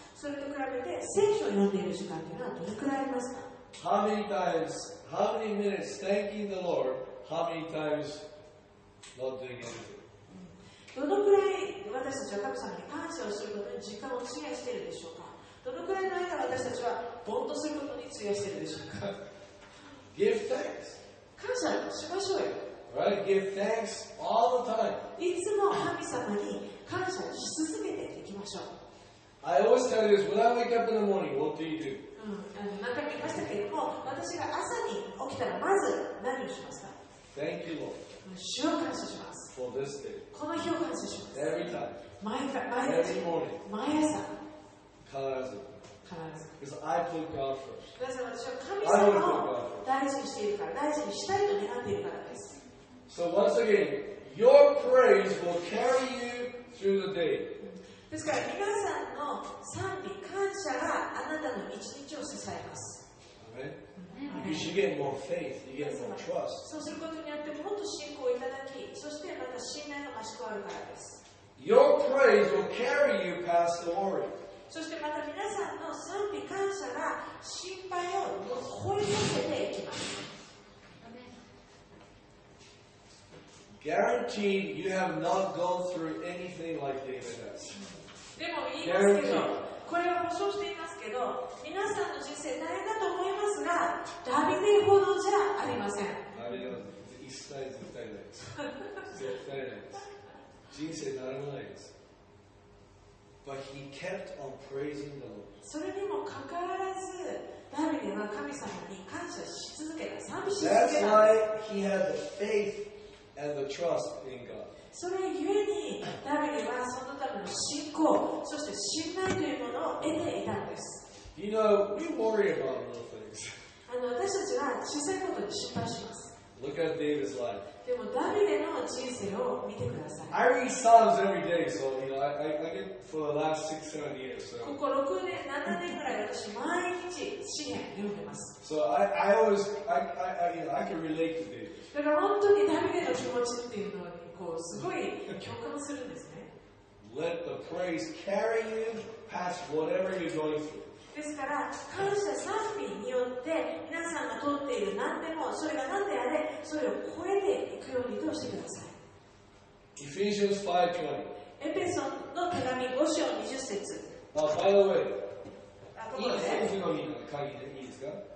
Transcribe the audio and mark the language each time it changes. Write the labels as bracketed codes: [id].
[ja] それと比べて聖書を読んでいる時間というのはどれくらいありますか？ [en] How many times, how many minutes thanking the Lord, how many times not doing anything? [ja] どのくらい私たちは神様に感謝をすることに時間を費やしているでしょうか？どのくらいの間私たちはぼんとすることに費やしているでしょうか？ [en] Give thanks. [ja] 感謝しましょうよ。 [en] Right? Give thanks all the time. [ja] いつも神様に感謝し続けていきましょう。 [en] I always tell you this, when I wake up in the morning, what do you do? [ja] また見ましたけれども、私が朝に起きたらまず何をしますか？ [en] Thank you, Lord. [ja] 主を感謝します。 [en] For this day. [ja] この日を感謝します。 [en] Every time. [ja] 毎日。 [en] Every morning. [ja] 毎朝。必ず。 [en] Because I put God first. [ja] なぜ私は神様を大事にしているから、大事にしたいと願っているからです。 [en] So once again, your praise will carry you through the day. [ja] ですから皆さんの賛美、感謝があなたの一日を支えます。 [en] Amen. Because you get more faith, you get more trust. [ja] そうすることによってもっと信仰をいただき、そしてまた信頼が増し加わるからです。 [en] Your praise will carry you past the worry. [ja] そしてまた皆さんの賛美、感謝が心配を超えさせていきます。 [en] Guaranteed, you have not gone through anything like David has. [ja] でも言いますけど、これは保証していますけど、皆さんの人生大変だと思いますが、ダビデほどじゃありません。あれは一切絶対ないです。絶対ないです。人生ならないです。 [en] But he kept on praising the Lord. [ja] それにもかかわらず、ダビデは神様に感謝し続けた、賛美し続けた。 [en] That's why he had the faith. And the trust in God. [ja] それゆえにダビデはそのための信仰そして信頼というものを得ていたんです。 [en] You know, we worry about little things. [ja] 私たちは小さいことに心配します。 [en] Look at David's life. [ja] でもダビデの人生を見てください。 [en] I read Psalms every day, so you know, I get for the last 6-7 years. So. [ja] ここ6年、7年ぐらい私毎日詩編読んでます。 [en] So I always, I you know, I can relate to David. [ja] だから本当にダビデの気持ちっていうのにこうすごい共感するんですね。 [en] Let the praise carry you past whatever you're going through. [ja] ですから感謝賛美によって皆さんが通っている何でもそれが何であれそれを超えていくようにどうしてください。 [en] Ephesians 5:20 [ja] エペソの手紙5章20節 [en] By the way [ja] いい夫婦の鍵でいいですか。